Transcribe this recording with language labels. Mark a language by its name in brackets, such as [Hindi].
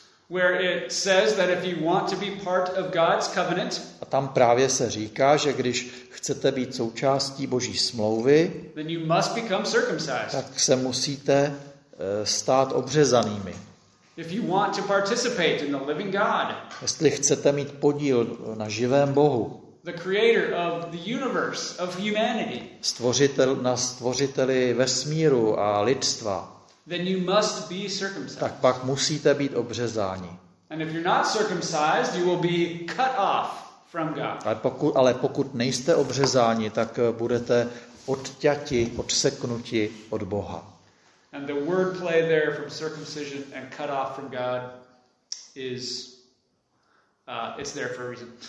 [English] Where it says that if you want to be part of God's covenant, [Czech] a tam právě se říká, že když chcete být součástí Boží smlouvy, [English] then you must become circumcised. [Czech] Tak se musíte stát obřezanými. [English] If you want to participate in the living God, [Czech] jestli chcete mít podíl na živém Bohu, [English] the creator of the universe of humanity, [Czech] stvořitel na stvořiteli vesmíru a lidstva, [English] then you must be circumcised. [Czech] Tak pak musíte být obřezáni. [English] And if you're not circumcised, you will be cut off from God. [Czech] Ale pokud nejste obřezáni, tak budete odťati, odseknuti od Boha. [English] And the word play there from circumcision and cut off from God is it's there for a reason.